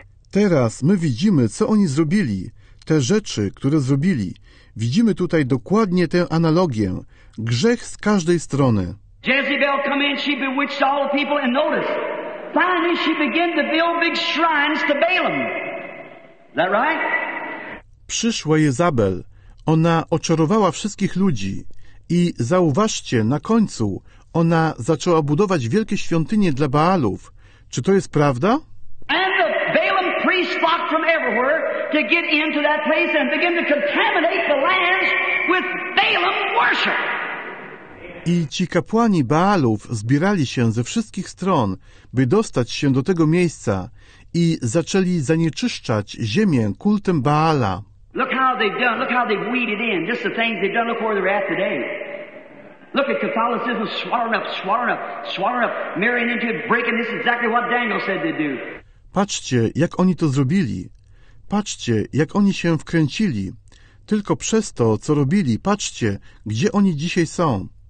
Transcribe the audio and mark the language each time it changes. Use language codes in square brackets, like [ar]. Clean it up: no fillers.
[pl] Teraz my widzimy, co oni zrobili, te rzeczy, które zrobili. Widzimy tutaj dokładnie tę analogię. Grzech z każdej strony. [en] Jezebel come in, she bewitched all the people, and notice, finally she began to build big shrines to Balaam. Is that right? [pl] Przyszła Jezabel, ona oczarowała wszystkich ludzi. I zauważcie, na końcu, ona zaczęła budować wielkie świątynie dla Baalów. Czy to jest prawda? [en] And the Balaam priests flocked from everywhere to get into that place and begin to contaminate the lands with Balaam worship. [pl] I ci kapłani Baalów zbierali się ze wszystkich stron, by dostać się do tego miejsca i zaczęli zanieczyszczać ziemię kultem Baala. [en] Look how they've done, look how they've weeded in, just the things they've done, look where they're at today. Look at Catholicism swallowing up, marrying into it, breaking, this is exactly what Daniel said they'd do. [pl] Patrzcie, jak oni to zrobili. Patrzcie, jak oni się wkręcili. Tylko przez to, co robili, patrzcie, gdzie oni dzisiaj są.